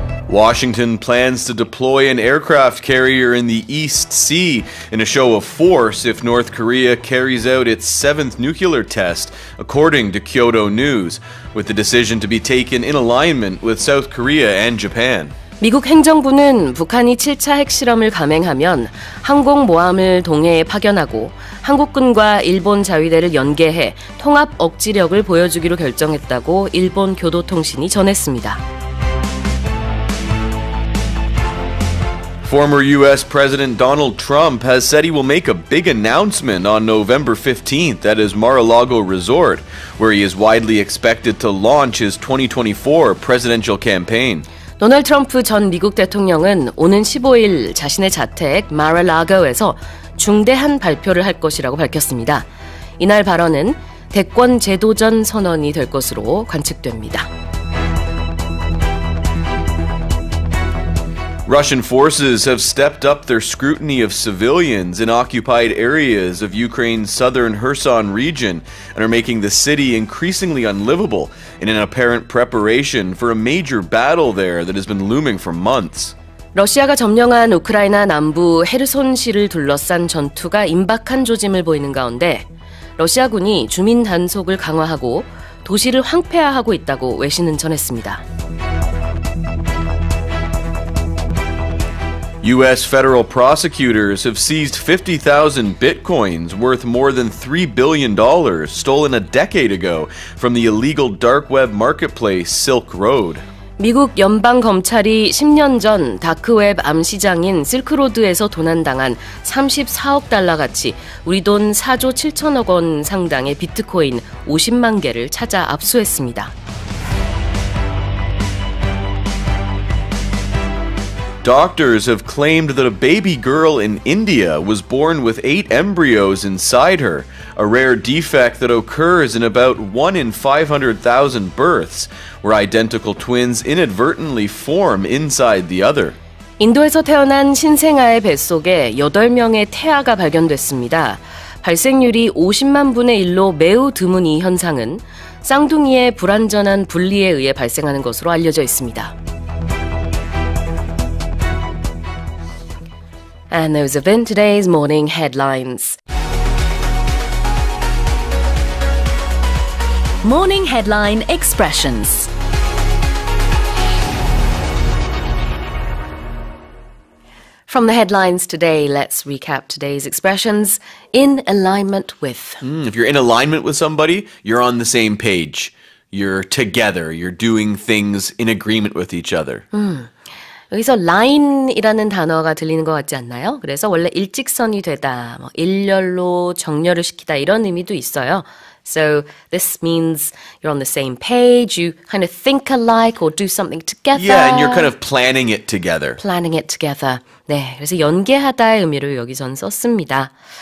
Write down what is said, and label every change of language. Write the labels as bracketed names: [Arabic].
[English] 워싱턴 plans to deploy an aircraft carrier in the East Sea in a show of force if North Korea carries out its seventh nuclear test, according to Kyodo News, with the decision to be taken in alignment with South Korea and Japan. [Korean] 미국 행정부는 북한이 7차 핵실험을 감행하면 항공모함을 동해에 파견하고 한국군과 일본 자위대를 연계해 통합 억지력을 보여주기로 결정했다고 일본 교도통신이 전했습니다. [English] Former U.S. President Donald Trump has said he will make a big announcement on November 15th at his Mar-a-Lago resort, where he is widely expected to launch his 2024 presidential campaign. [Korean] 도널드 트럼프 전 미국 대통령은 오는 15일 자신의 자택 마라라고에서 중대한 발표를 할 것이라고 밝혔습니다. 이날 발언은 대권 재도전 선언이 될 것으로 관측됩니다. [English] Russian forces have stepped up their scrutiny of civilians in occupied areas of Ukraine's southern Kherson region and are making the city increasingly unlivable in an apparent preparation for a major battle there that has been looming for months. [Korean] 러시아가 점령한 우크라이나 남부 헤르손시를 둘러싼 전투가 임박한 조짐을 보이는 가운데 러시아군이 주민 단속을 강화하고 도시를 황폐화하고 있다고 외신은 전했습니다. [English] U.S. federal prosecutors have seized 50,000 bitcoins worth more than $3 billion stolen a decade ago from the illegal dark web marketplace Silk Road. [Korean] 미국 연방 검찰이 10년 전 다크 웹 암시장인 실크로드에서 도난당한 34억 달러 가치 우리 돈 4조 7천억 원 상당의 비트코인 50만 개를 찾아 압수했습니다. [English] Doctors have claimed that a baby girl in India was born with 8 embryos inside her, a rare defect that occurs in about 1 in 500,000 births, where identical twins inadvertently form inside the other. [Korean] 인도에서 태어난 신생아의 뱃속에 8명의 태아가 발견됐습니다. 발생률이 50만 분의 1로 매우 드문 이 현상은 쌍둥이의 불완전한 분리에 의해 발생하는 것으로 알려져 있습니다. [English] And those have been today's morning headlines. Morning headline expressions. From the headlines today, let's recap today's expressions. In alignment with. If you're in alignment with somebody, you're on the same page. You're together. You're doing things in agreement with each other. [Korean] 여기서 line이라는 단어가 들리는 것 같지 않나요? 그래서 원래 일직선이 되다, 뭐 일렬로 정렬을 시키다 이런 의미도 있어요. [English] So this means you're on the same page, you kind of think alike or do something together. Yeah, and you're kind of planning it together. Planning it together. [Korean] 네, 그래서 연계하다의 의미로 여기선 썼습니다.